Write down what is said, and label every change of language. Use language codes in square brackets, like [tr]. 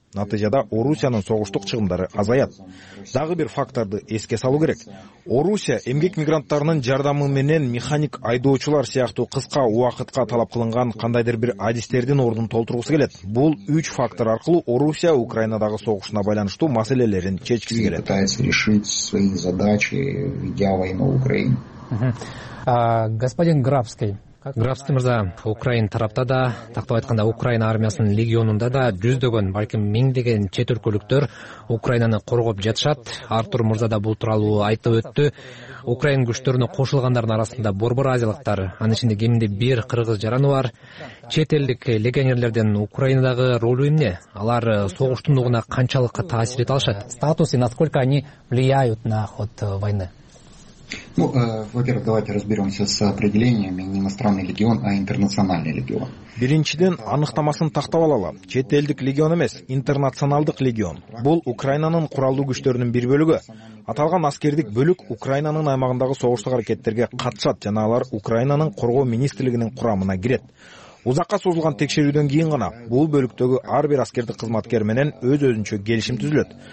[ky] Натыйжада Орусиянын согуштук чыгымдары азаят. Дагы бир факторду эске салуу керек. Орусия эмгек мигранттарынын жардамы менен механик айдоочулар сыяктуу кыска убакытка талап кылынган кандайдыр бир адистердин ордун толтургусу келет. Бул үч фактор аркылуу Орусия Украинадагы согушуна байланыштуу маселелерин чечкиси келет. [ru] Пытается решить свои задачи, ведя войну в Украине. Господин Графский. [ky] Графский мырза, Украин тарапта да, тактап айтканда Украина армиясынын легионунда да жүздөгөн, балким миңдеген чет өлкөлүктөр Украинаны коргоп жатышат. Артур мырза да бул тууралуу айтып өттү. Украин күчтөрүнө кошулгандардын арасында борбор азиялыктар, анын ичинде кеминде бир кыргыз жараны бар. Чет элдик легионерлердин Украинадагы ролу эмне? Алар согуштун угуна канчалыкка таасир эте алышат? [ru] Статусы, насколько они влияют на ход войны? Ну, во-первых, давайте разберемся с определениями не иностранный легион, а интернациональный легион. [ky] Биринчиден аныктамасын тактап алалы. Чет элдик легион эмес, интернационалдык легион. Бул Украинанын куралдуу күчтөрүнүн бир бөлүгү. Аталган аскердик бөлүк Украинанын аймагындагы согуштук аракеттерге катышат жана алар Украинанын коргоо министрлигинин курамына кирет. Узакка созулган текшерүүдөн кийин гана бул бөлүктөгү ар бир аскердик кызматкер менен өз-өзүнчө келишим түзүлөт.